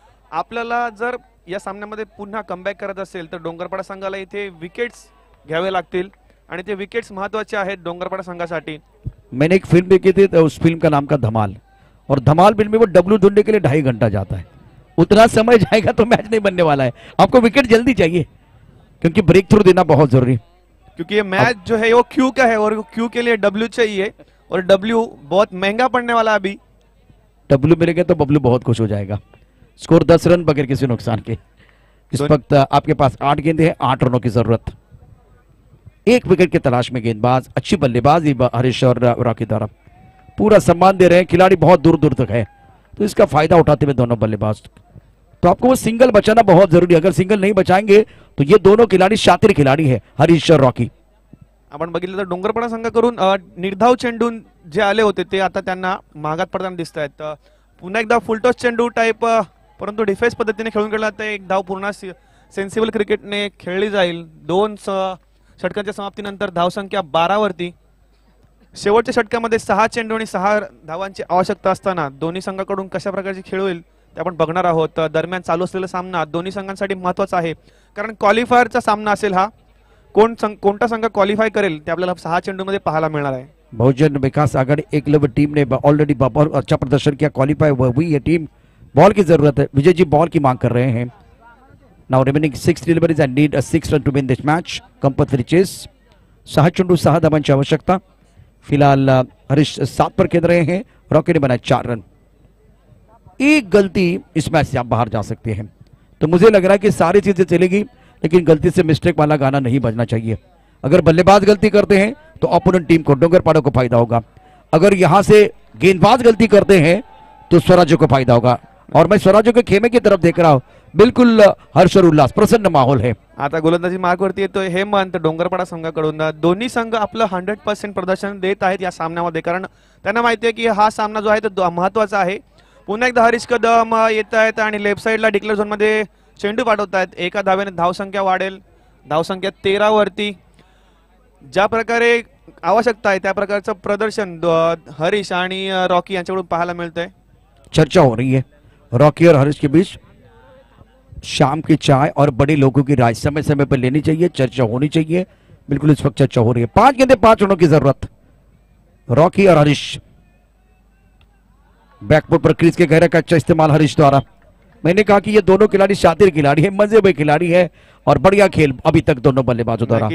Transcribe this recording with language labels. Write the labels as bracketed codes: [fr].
[mr] आपल्याला जर या सामन्यामध्ये पुन्हा कमबॅक करत असेल तर डोंगरपाडा संघाला इथे विकेट्स घ्यावे लागतील आणि ते विकेट्स महत्त्वाचे आहेत डोंगरपाडा संघासाठी. [hi] मैंने एक फिल्म देखी थी, उस फिल्म का नाम का धमाल. और धमाल फिल्म में वो डब्ल्यू ढूंढने के लिए 2.5 घंटा जाता है. उतना समय जाएगा तो मैच नहीं बनने वाला है. आपको विकेट जल्दी चाहिए क्योंकि ब्रेक थ्रू देना बहुत जरूरी, क्योंकि ये मैच जो है वो क्यू का है और क्यू के लिए डब्ल्यू चाहिए और डब्ल्यू बहुत महंगा पड़ने वाला है. अभी डब्ल्यू मिलेगा तो बब्लू बहुत खुश हो जाएगा. स्कोर 10 रन बगैर किसी नुकसान के. इस वक्त आपके पास 8 गेंदे हैं, 8 रनों की जरूरत. एक विकेट की तलाश में गेंदबाज. अच्छी बल्लेबाजी हरीश और रॉकी द्वारा. पूरा सम्मान दे रहे हैं, खिलाड़ी बहुत दूर दूर तक है तो इसका फायदा उठाते हुए दोनों बल्लेबाज. तो आपको वो सिंगल बचाना बहुत जरूरी है. अगर सिंगल नहीं बचाएंगे तो ये दोनों खिलाड़ी शातिर खिलाड़ी है हरीश और रॉकी. [mr] आपण बघितलं तर डोंगरपाडा संघाकडून निर्धाव चेंडून जे आले होते ते आता त्यांना मागात पडताना दिसत आहेत. पुन्हा एकदा फुलटॉस चेंडू टाइप परंतु डिफेन्स पद्धतीने खेळून काढला जातोय. एक धाव पूर्ण सेन्सिबल क्रिकेटने खेळली जाईल. 2 षटकांच्या समाप्तीनंतर धावसंख्या 12 वरती. शेवटच्या षटकामध्ये 6 चेंडू आणि 6 धावांची आवश्यकता असताना दोन्ही संघाकडून कशा प्रकारची खेळ होईल ते आपण बघणार आहोत। दरम्यान चालू असलेला सामना दोन्ही संघांसाठी महत्त्वाचा आहे, कारण क्वालिफायरचा सामना असेल हा। कोणता संघ क्वालिफाय करेल ते आपल्याला सहा चेंडूमध्ये पाहायला मिळणार आहे। [hi] बहुजन विकास आघाडी एकलव्य टीम ने ऑलरेडी अच्छा प्रदर्शन किया, क्वालिफाई हुई है टीम। बॉल की जरूरत है, विजय जी बॉल की मांग कर रहे हैं। [en] Now remaining six deliveries and need a six run to win this match compulsory chase. [mr] सहा चंडू सहा धावांची की आवश्यकता। [hi] फिलहाल हरीश सात पर खेल रहे हैं, रॉकी ने बनाया चार रन। एक गलती इस मैच से आप बाहर जा सकते हैं, तो मुझे लग रहा है कि सारी चीजें चलेगी, लेकिन गलती से मिस्टेक वाला गाना नहीं बजना चाहिए। अगर बल्लेबाज गलती करते हैं तो ओपोनेंट टीम को डोंगरपाड़ा को फायदा होगा, अगर यहां से गेंदबाज गलती करते हैं तो स्वराज्य को फायदा होगा। और मैं स्वराज्य के खेमे की तरफ देख रहा हूं, बिल्कुल हर्ष और उल्लास प्रसन्न माहौल है। [mr] आता गोलंदाजी मार्ग वरती येतोय हेमंत डोंगरपाड़ा संघाकडून। दोन्ही संघ आपलं 100% प्रदर्शन देत आहेत या सामन्यामध्ये, कारण त्यांना माहिती आहे की हा सामना जो आहे तो महत्त्वाचा आहे। पुन्हा एकदा हरीश कदम येत आहेत आणि लेफ्ट साइडला डिक्लेअर झोन मध्ये चेंडू पाठवत आहेत। एका धावेने धावसंख्या वाढेल, धावसंख्या 13 वरती। ज्या प्रकारे आवश्यकता आहे त्या प्रकारचं प्रदर्शन हरीश आणि रॉकी यांच्याकडून पाहायला मिळतंय। [hi] चर्चा हो रही है रॉकी और हरीश के बीच, शाम की चाय और बड़े लोगों की राय समय समय पर लेनी चाहिए, चर्चा होनी चाहिए। बिल्कुल इस वक्त चर्चा हो रही है। पांच गेंदे पांच रनों की जरूरत, रॉकी और हरीश। बैकफुट पर क्रीज के गहरे का अच्छा इस्तेमाल हरीश द्वारा। मैंने कहा कि ये दोनों खिलाड़ी शातिर खिलाड़ी है, मजे में खिलाड़ी है और बढ़िया खेल अभी तक दोनों बल्लेबाजों द्वारा।